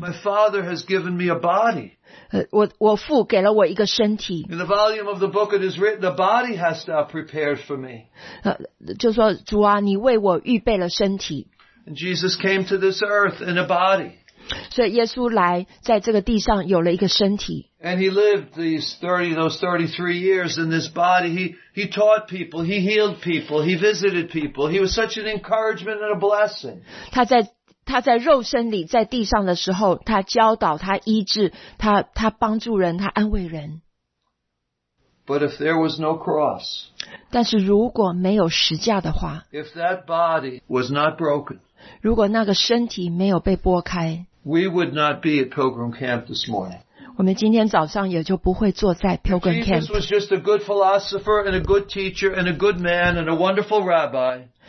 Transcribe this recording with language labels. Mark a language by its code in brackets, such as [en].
[en] My Father has given me a body. [zh] 我父给了我一个身体。 [en] In the volume of the book it is written, the body has to be prepared for me. [zh] 就说，主啊，你为我预备了身体。 [en] And Jesus came to this earth in a body. [zh] 所以耶稣来在这个地上有了一个身体。 [en] And he lived those 33 years in this body. He taught people, he healed people, he visited people. He was such an encouragement and a blessing. [zh] 他在肉身里在地上的时候，他教导，他医治，他帮助人，他安慰人。 [en] But if there was no cross, [zh] 但是如果没有十架的话, [en] if that body was not broken, [zh] 如果那个身体没有被剥开, [en] we would not be at Pilgrim Camp this morning. [zh] 我们今天早上也就不会坐在Pilgrim Camp. [en] Jesus was just a good philosopher and a good teacher and a good man and a wonderful rabbi.